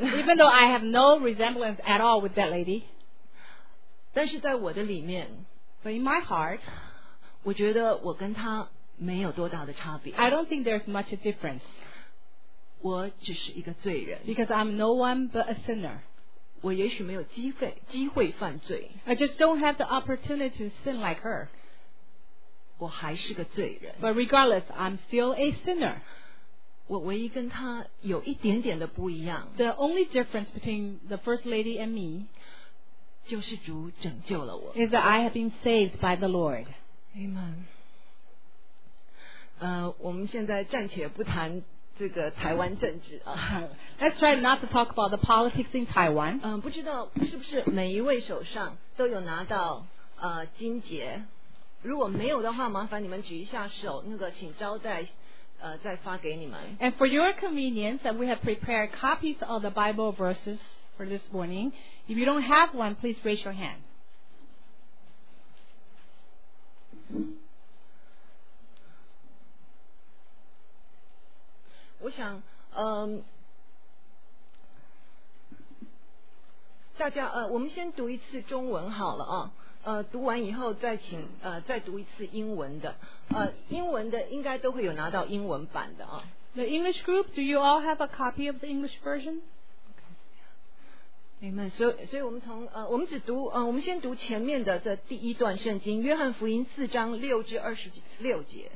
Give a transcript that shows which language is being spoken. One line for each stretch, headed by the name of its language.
English: Even though I have no resemblance at all with that lady.
Chinese: 但是在我的里面
English: ，But in my heart，
Chinese: 我觉得我跟她没有多大的差别。
English: I don't think there's much a difference.
Chinese: 我只是一个罪人。
English: Because I'm no one but a sinner.
Chinese: 我也许没有机会犯罪。
English: I just don't have the opportunity to sin like her.
Chinese: 我还是个罪人。
English: But regardless, I'm still a sinner.
Chinese: 我唯一跟她有一点点的不一样。
English: The only difference between the first lady and me,
Chinese: 就是主拯救了我。
English: Is that I have been saved by the Lord. Amen.
Chinese: 我们现在暂且不谈这个台湾政治啊。
English: Let's try not to talk about the politics in Taiwan.
Chinese: 不知道是不是每一位手上都有拿到金节，如果没有的话麻烦你们举一下手，那个请招待再发给你们。
English: And for your convenience, we have prepared copies of the Bible verses for this morning. If you don't have one, please raise your hand.
Chinese: 我想大家我们先读一次中文好了啊，读完以后再请再读一次英文的，英文的应该都会有拿到英文版的啊。
English: The English group, do you all have a copy of the English version? Okay. Amen.
Chinese: 所以我们从我们只读我们先读前面的这第一段圣经，约翰福音四章六至二十六节。